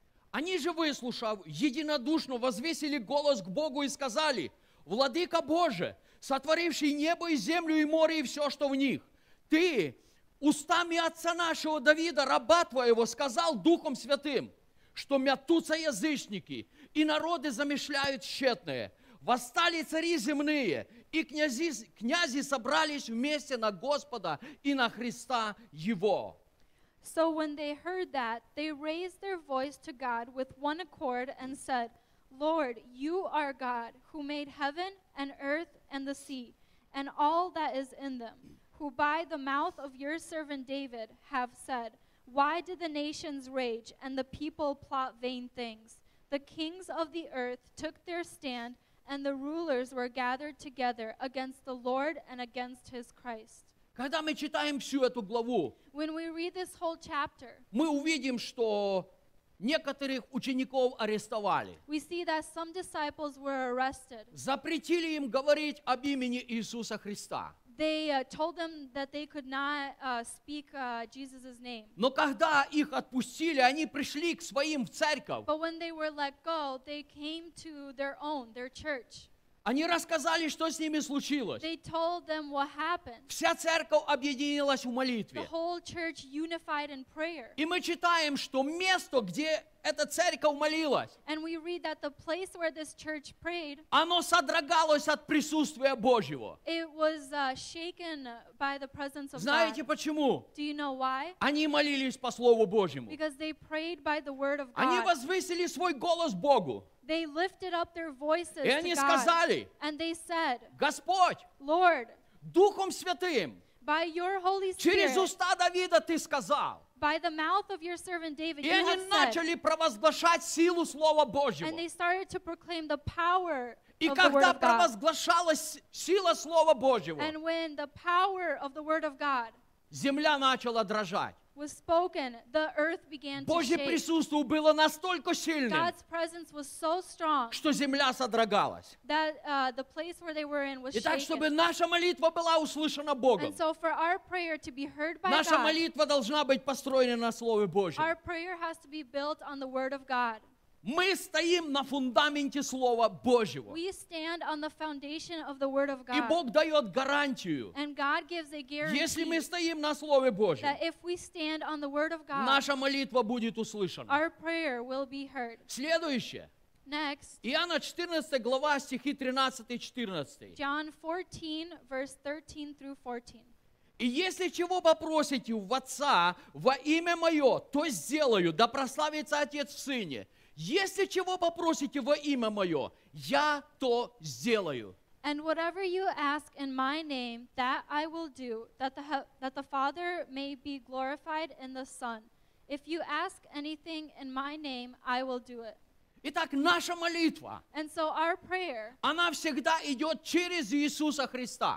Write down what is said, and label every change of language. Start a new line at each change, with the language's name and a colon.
Russian: Они же, выслушав, единодушно возвесили голос к Богу и сказали, «Владыка Божий, сотворивший небо и землю и море и все, что в них, Ты, устами отца нашего Давида, раба Твоего, сказал Духом Святым, что мятутся язычники, и народы замышляют тщетное». Восстали цари земные, и князи собрались вместе на Господа и на Христа Его.
English: So when they heard that, they raised their voice to God with one accord and said, Lord, you are God, who made heaven and earth and the sea, and all that is in them, who by the mouth of your servant David have said, Why did the nations rage and the people plot vain things? The kings of the earth took their stand, and the rulers were gathered together against the Lord and against His Christ.
Russian: Когда мы читаем всю эту главу,
English: when we read this whole chapter,
Russian: мы увидим, что некоторых учеников арестовали.
English: We see that some disciples were arrested.
Russian: Запретили им говорить об имени Иисуса Христа.
English: they told them that they could not speak Jesus' name.
Russian: Но когда их отпустили, они пришли к своим в церковь.
English: But when they were let go, they came to their own, their church.
Russian: Они рассказали, что с ними случилось.
English: They told them what happened.
Russian: Вся церковь объединилась в молитве.
English: The whole church unified in prayer.
Russian: И мы читаем, что место, где эта церковь молилась,
English: and we read that the place where this church prayed,
Russian: оно содрогалось от присутствия Божьего.
English: It was shaken by the presence of God.
Russian: Знаете почему?
English: Do you know why?
Russian: Они молились по Слову Божьему.
English: Because they prayed by the word of God.
Russian: Они возвысили свой голос Богу.
English: They lifted up their voices to God.
Russian: Сказали,
English: and they said,
Russian: Господь,
English: Lord,
Russian: Духом Святым,
English: by your Holy Spirit,
Russian: через уста Давида ты сказал,
English: by the mouth of your servant David,
Russian: и
English: you
Russian: они начали провозглашать силу Слова Божьего.
English: And they started to proclaim the power
Russian: и
English: of the word of God.
Russian: Сила Слова Божьего,
English: and when the power of the word of God
Russian: земля начала дрожать,
English: was spoken, the earth began to shake.
Russian: Присутствие было настолько сильным,
English: God's presence was so strong,
Russian: что земля содрогалась,
English: that the place where they were in was
Russian: Итак,
English: shaken.
Russian: Чтобы наша молитва была услышана Богом,
English: and so for our prayer to be heard by
Russian: наша
English: God,
Russian: молитва должна быть построена на Слове Божьем.
English: Our prayer has to be built on the word of God.
Russian: Мы стоим на фундаменте Слова Божьего.
English: We stand on the foundation of the word of God.
Russian: И Бог дает гарантию.
English: And God gives a guarantee.
Russian: Если мы стоим на Слове Божьем,
English: that if we stand on the word of God,
Russian: наша молитва будет услышана.
English: Our prayer will be heard.
Russian: Следующее.
English: Next.
Russian: Иоанна 14, глава, стихи 13 и 14.
English: John 14, verse 13 through 14.
Russian: И если чего попросите у Отца во имя Мое, то сделаю, да прославится Отец в Сыне. Если чего попросите во имя Мое, я то сделаю.
English: And whatever you ask in my name, that I will do, that the Father may be glorified in the Son. If you ask anything in my name, I will do it.
Russian: Итак, наша молитва,
English: and so our prayer,
Russian: она всегда идет через Иисуса Христа.